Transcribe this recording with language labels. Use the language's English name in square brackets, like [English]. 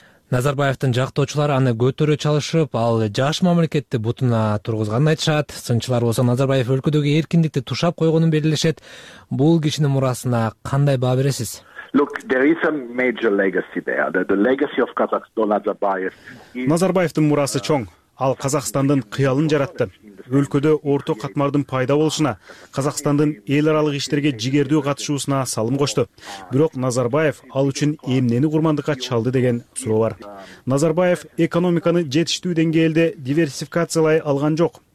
[Kyrgyz] Назарбаевдин жактоочулары аны көтөрө чалышып, ал жаш мамлекетти бутуна тургузганын айтышат. Сынчылар болсо Назарбаев өлкөдөгү эркиндикти тушап койгонун белгилешет. Бул кишинин мурасына кандай баа бересиз? [English] Look, there is a major legacy there. The legacy of Kazakhstan Nazarbayev. [Kyrgyz] Назарбаевдин мурасы чоң. Ал Казакстандын кыялын жаратты. Өлкөдө орто катмардын пайда болушуна, Казакстандын эл аралык иштерге жигердүү катышуусуна салым кошту. Бирок Назарбаев ал үчүн эмнени курмандыкка чалды деген суроо бар. Назарбаев экономиканы жетиштүү деңгээлде диверсификациялай алган жок.